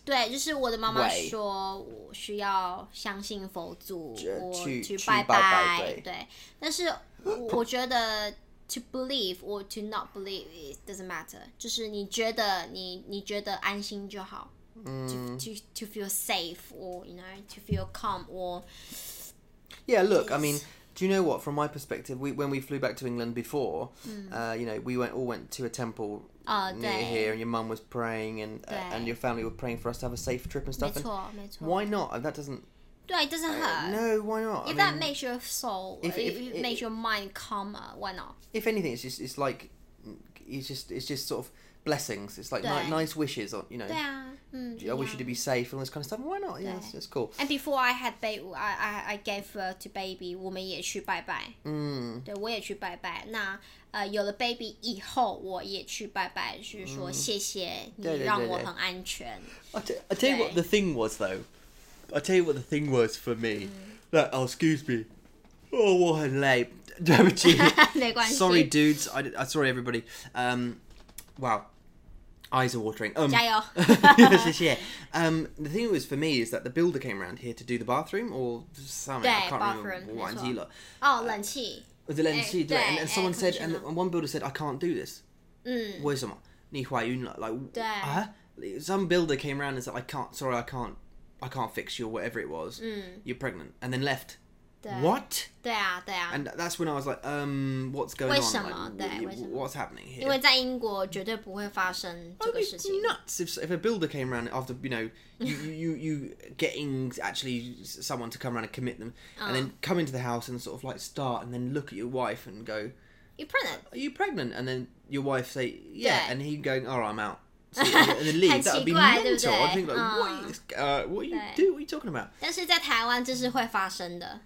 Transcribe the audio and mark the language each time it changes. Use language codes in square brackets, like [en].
[zh] 对，就是我的妈妈说我需要相信佛祖，我去拜拜。对，但是我觉得 [en] to believe or to not believe it doesn't matter. [zh] 就是你觉得你觉得安心就好。 [en] To feel safe or you know to feel calm or. Yeah, look, I mean. Do you know what? From my perspective, when we flew back to England before, you know, we went to a temple near here, and your mum was praying, and your family were praying for us to have a safe trip and stuff. [zh] 没错，没错。 [en] Why not? That doesn't. 对 it doesn't hurt. No, why not? If that makes your soul, if it makes your mind calmer, why not? If anything, it's just sort of blessings. It's like nice wishes, or you know. [zh] 对啊。 [en] I wish you to be safe and all this kind of stuff. Why not? Yeah, that's cool. And before I had baby, I gave birth to baby. [zh] 我们也去拜拜。对，我也去拜拜。那有了 baby 以后，我也去拜拜，就是说谢谢你让我很安全。 [en] I tell you what the thing was though. I tell you what the thing was for me. That excuse me. Oh, [zh] 我很累。对不起。没关系。 [en] Sorry, dudes. I sorry everybody. Wow. Eyes are watering. [zh] 加油！谢谢。 [en] The thing was for me is that the builder came around here to do the bathroom or something. 对 ，bathroom. [zh] 忘记了。哦，冷气。 [en] Was it 冷气？对。 And someone said, and one builder said, I can't do this. 嗯。 [zh] 为什么？你怀孕了 ？Like. 对。 [en] Some builder came around and said, I can't fix you or whatever it was. 嗯。 You're pregnant, and then left. What? [zh] 对啊，对啊。 [en] And that's when I was like, what's going on? [zh] 为什么？对， [en] What's happening here? [zh] 因为在英国绝对不会发生这个事情。 [en] Nuts! If a builder came around after, you know, you getting actually someone to come around and commit them, and then come into the house and sort of like start and then look at your wife and go, You're pregnant. Are you pregnant? And then your wife say, yeah, and he going, all right, I'm out. And then leave, that would be mental. I think, like, what are you talking about? [zh] 但是在台湾这是会发生的。